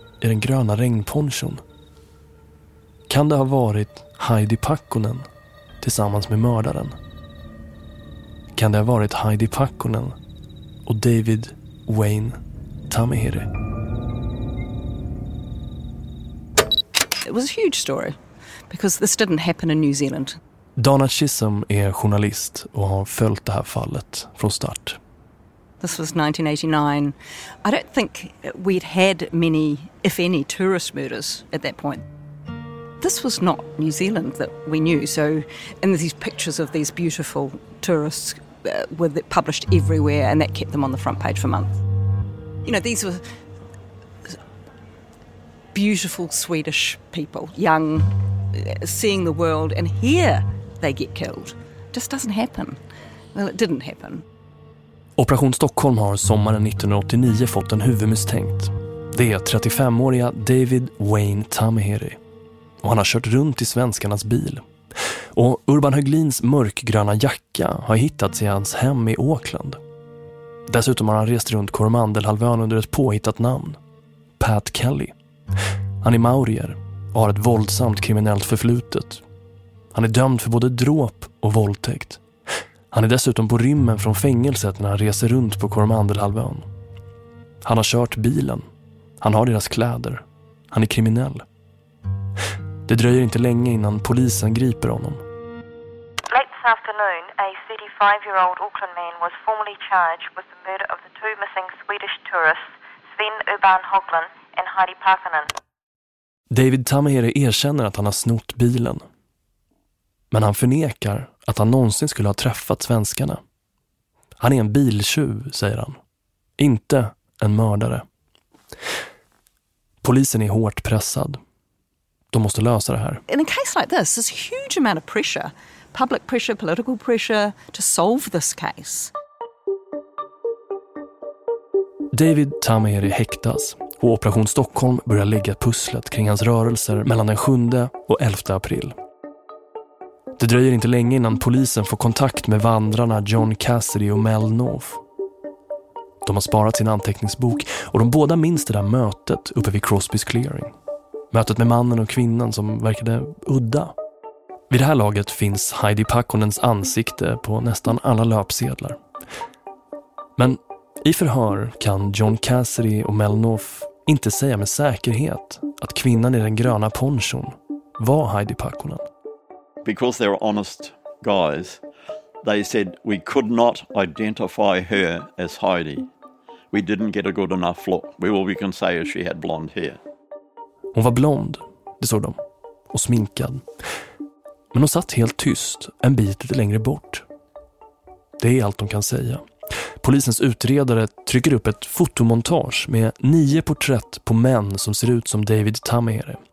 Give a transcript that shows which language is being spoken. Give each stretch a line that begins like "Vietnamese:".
Swedish: i den gröna regnponchon. Kan det ha varit Heidi Packonen tillsammans med mördaren? Kan det ha varit Heidi Packonen och David Wayne Tamihere?
English: It was a huge story because this didn't happen in New Zealand.
Swedish: Donna Chisholm är journalist och har följt det här fallet från start.
English: This was 1989. I don't think we'd had many, if any, tourist murders at that point. This was not New Zealand that we knew. So, and there's these pictures of these beautiful tourists were published everywhere, and that kept them on the front page for months. You know, these were beautiful Swedish people, young, seeing the world, and here they get killed. It just doesn't happen. Well, it didn't happen.
Swedish: Operation Stockholm har sommaren 1989 fått en huvudmisstänkt. Det är 35-åriga David Wayne Tamihere. Och han har kört runt i svenskarnas bil. Och Urban Höglins mörkgröna jacka har hittats i hans hem i Auckland. Dessutom har han rest runt Koromandelhalvön under ett påhittat namn. Pat Kelly. Han är maurier och har ett våldsamt kriminellt förflutet. Han är dömd för både dråp och våldtäkt. Han är dessutom på rymmen från fängelset när han reser runt på Koromandelhalvön. Han har kört bilen. Han har deras kläder. Han är kriminell. Det dröjer inte länge innan polisen griper honom.
English: Late this afternoon, a 35-year-old Auckland man was formally charged with the murder of the two missing Swedish tourists, Sven Urban Höglund and Heidi Parkinen.
Swedish: David Tamihere erkänner att han har snott bilen. Men han förnekar att han någonsin skulle ha träffat svenskarna. Han är en biltjuv, säger han. Inte en mördare. Polisen är hårt pressad. De måste lösa det här.
English: In a case like this, there's a huge amount of pressure. Public pressure, political pressure to solve this case.
Swedish: David Tamihere häktas. Och Operation Stockholm börjar lägga pusslet kring hans rörelser mellan den 7 och 11 april. Det dröjer inte länge innan polisen får kontakt med vandrarna John Cassidy och Mel North. De har sparat sin anteckningsbok och de båda minns det där mötet uppe vid Crosby's Clearing. Mötet med mannen och kvinnan som verkade udda. Vid det här laget finns Heidi Packonens ansikte på nästan alla löpsedlar. Men i förhör kan John Cassidy och Mel North inte säga med säkerhet att kvinnan i den gröna ponchon var Heidi Packonen.
English: Because they were honest guys, they said we could not identify her as Heidi. We didn't get a good enough look. All we can say is she had blonde hair.
Swedish: Hon var blond, det såg de, och sminkad. Men hon satt helt tyst, en bit lite längre bort. Det är allt de kan säga. Polisens utredare trycker upp ett fotomontage med 9 porträtt på män som ser ut som David Tamihere.